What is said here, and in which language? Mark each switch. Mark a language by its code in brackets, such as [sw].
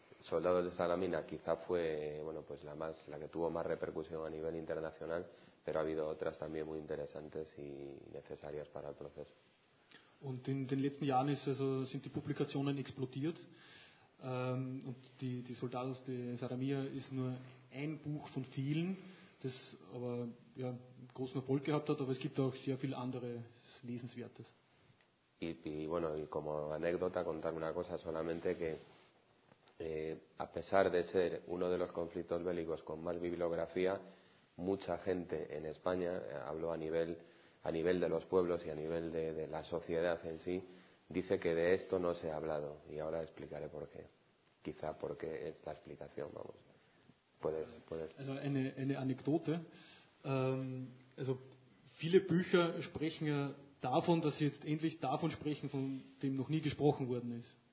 [es] Soldados de Salamina quizá fue la que tuvo más repercusión a nivel internacional, pero ha habido otras también muy interesantes y necesarias para el proceso. [de] Und in den letzten Jahren sind die Publikationen explodiert. Und die Soldados de Salamina ist nur ein Buch von vielen, das aber ja großen Erfolg gehabt hat, aber es gibt auch sehr viel anderes Lesenswertes. [es] Y como anécdota contar una cosa solamente que a pesar de ser uno de los conflictos bélicos con más bibliografía, mucha gente en España, hablo a nivel de los pueblos y a nivel de la sociedad en sí, dice que de esto no se ha hablado. Y ahora explicaré por qué. Quizá porque es la explicación, vamos. Puedes. [de] Also eine Anekdote. Also viele Bücher sprechen ja davon, dass sie jetzt endlich davon sprechen, von dem noch nie gesprochen worden ist.